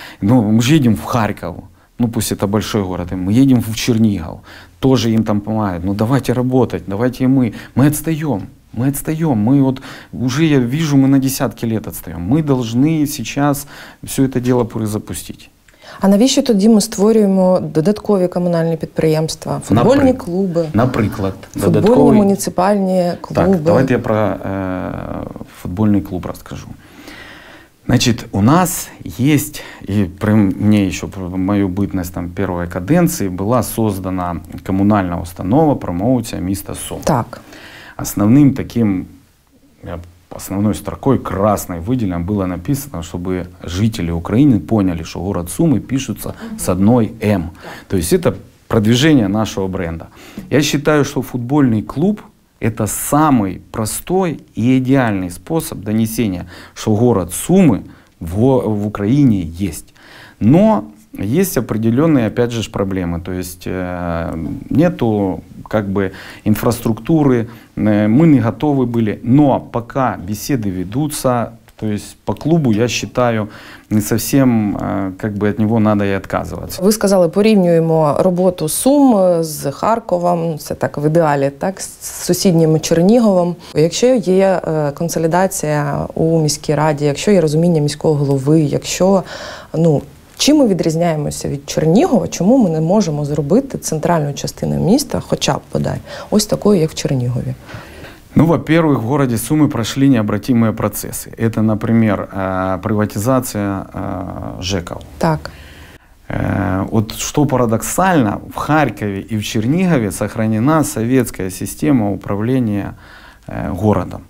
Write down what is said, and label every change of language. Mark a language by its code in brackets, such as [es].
[ru] Ну, мы же едем в Харьков. Ну пусть это большой город, и мы едем в Чернигов, тоже им там помогают, ну давайте работать, давайте и мы отстаем, мы вот уже я вижу, мы на десятки лет отстаем, мы должны сейчас все это дело перезапустить. [uk] А навіщо тоді ми створюємо додаткові комунальні підприємства, футбольні клуби? Наприклад, футбольні додаткові... муніципальні клуби. Так, давайте я про футбольний клуб розкажу. [ru] Значит, у нас есть, и при мне еще, про мою бытность там первой каденции, была создана коммунальная установа промоутера «Миста Сом». Так. Основным таким, основной строкой красной выделенной было написано, чтобы жители Украины поняли, что город Сумы пишется с одной «М». То есть это продвижение нашего бренда. Я считаю, что футбольный клуб – это самый простой и идеальный способ донесения, что город Сумы в Украине есть. Но есть определенные, опять же, проблемы. То есть нету как бы инфраструктуры, мы не готовы были. Но пока беседы ведутся, то есть по клубу, я считаю, не совсем как бы от него надо и отказываться. Вы сказали, [uk] порівнюємо роботу Сум з Харковом, це так в ідеалі, так, з сусіднім Черніговом. Якщо є консолідація у міській раді, якщо є розуміння міського голови, якщо, ну, чим ми відрізняємося від Чернігова, чому ми не можемо зробити центральну частину міста, хоча б подай, ось такою, як в Чернігові? [ru] Ну, во-первых, в городе Сумы прошли необратимые процессы. Это, например, приватизация ЖЭКов. Так. Вот что парадоксально, в Харькове и в Чернигове сохранена советская система управления городом.